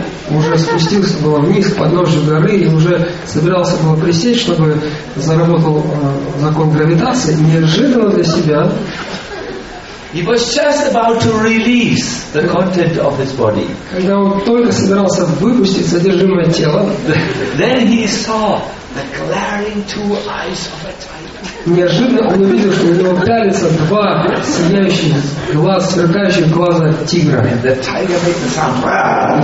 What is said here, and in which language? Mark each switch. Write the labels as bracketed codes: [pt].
[ru] уже спустился было вниз к подножию горы и уже собирался было присесть, чтобы заработал закон гравитации, неожиданно для себя. [en] He was just about to release the content of his body. [ru] Когда он только собирался выпустить содержимое тела, [en] then he saw the glaring two eyes of a tiger. [ru] Неожиданно он увидел, что у него пялятся два сияющих глаз, сверкающих глаза тигра. [en] And the tiger made the sound.